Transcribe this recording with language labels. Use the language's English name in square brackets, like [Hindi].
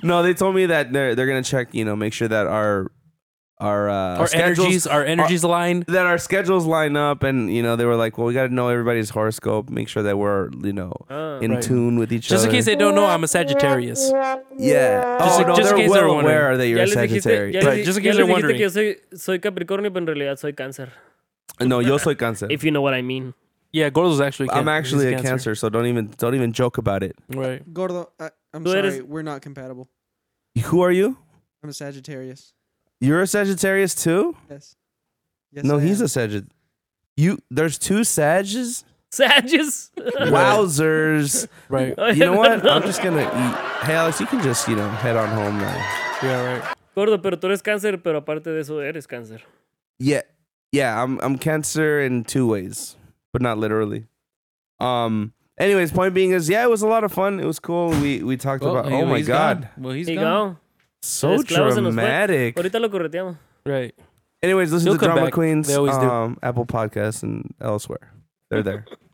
[English] No, they told me that they're gonna check, you know, make sure that our energies align. That our schedules line up, and you know, they were like, well, we got to know everybody's horoscope, make sure that we're, you know, in tune with each just other. Just in case they don't know, I'm a Sagittarius. Yeah. Just in case they're aware that you're a Sagittarius. Just in case they're wondering. [Spanish] Que soy Capricornio, pero en realidad soy Cáncer. No, yo soy Cáncer. [English] If you know what I mean. Yeah, Gordo's actually Cáncer. I'm actually a Cáncer, so don't even joke about it. Right. Gordo, I'm sorry, we're not compatible. Who are you? I'm a Sagittarius. You're a Sagittarius too? Yes. No, he's a Sagittarius. There's two Sages. Sages. Wowzers. Right. You know what? I'm just gonna eat. Hey, Alex, you can just, you know, head on home now. Yeah, right. [Spanish] Gordo, pero tú eres cáncer, pero aparte de eso eres cáncer. Yeah. [English] Yeah, I'm cancer in two ways, but not literally. Anyways, point being is, yeah, it was a lot of fun. It was cool. We talked about, oh my God. Well, he's gone. So dramatic. [Spanish] Ahorita lo correteamos. [English] Right. Anyways, listen to Drama Queens. They always do. Apple Podcasts and elsewhere. They're there.